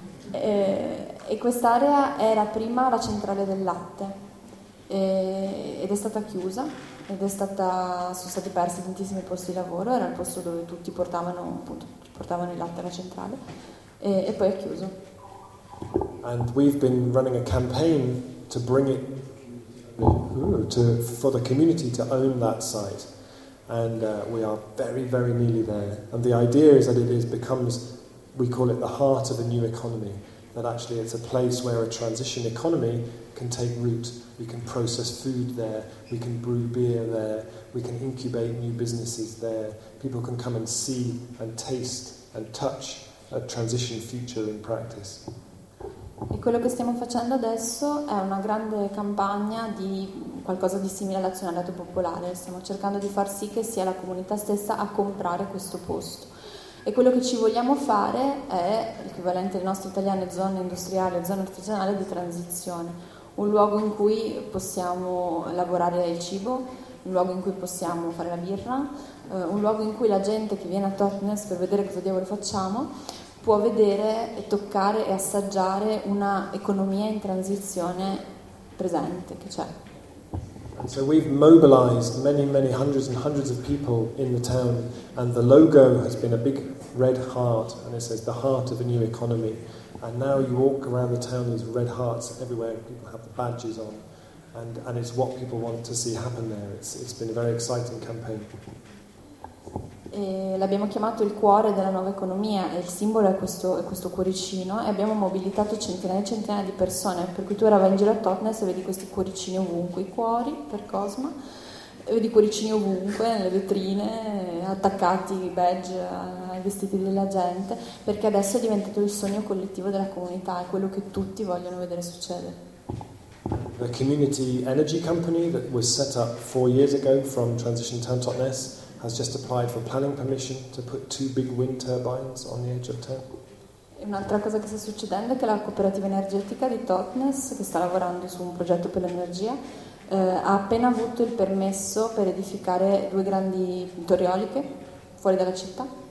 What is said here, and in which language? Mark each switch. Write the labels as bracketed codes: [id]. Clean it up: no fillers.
[it] E quest'area era prima la centrale del latte ed è stata chiusa ed è stata, sono stati persi tantissimi posti di lavoro, era il posto dove tutti portavano, appunto, portavano il latte alla centrale e poi è chiuso. [en] And we've been running a campaign to bring it for the community to own that site, and we are very, very nearly there. And the idea is that we call it the heart of a new economy, that actually it's a place where a transition economy can take root. We can process food there, we can brew beer there, we can incubate new businesses there. People can come and see and taste and touch a transition future in practice. [it] E quello che stiamo facendo adesso è una grande campagna di qualcosa di simile all'azionariato popolare. Stiamo cercando di far sì che sia la comunità stessa a comprare questo posto. E quello che ci vogliamo fare è l'equivalente del nostro italiano zona industriale, zona artigianale di transizione. Un luogo in cui possiamo lavorare il cibo, un luogo in cui possiamo fare la birra, un luogo in cui la gente che viene a Totnes per vedere cosa diavolo facciamo può vedere e toccare e assaggiare una economia in transizione presente che c'è. [en] And so we've mobilized many, many hundreds and hundreds of people in the town, and the logo has been a big red heart, and it says the heart of a new economy. And now you walk around the town, there's red hearts everywhere, people have the badges on, and it's what people want to see happen there. It's been a very exciting campaign. [it] E l'abbiamo chiamato il cuore della nuova economia e il simbolo è questo cuoricino e abbiamo mobilitato centinaia e centinaia di persone, per cui tu ora vai in giro a Totnes e vedi questi cuoricini ovunque, i cuori per Cosma, e vedi cuoricini ovunque, nelle vetrine, attaccati i badge ai vestiti della gente, perché adesso è diventato il sogno collettivo della comunità, è quello che tutti vogliono vedere succedere. [en] The community energy company that was set up 4 years ago from Transition Town Totnes has just applied for planning permission to put 2 big wind turbines on the edge of town. [it] Un'altra cosa che sta succedendo è che la cooperativa energetica di Totnes, che sta lavorando su un progetto per l'energia, ha appena avuto il permesso per edificare 2 grandi torri eoliche fuori dalla città.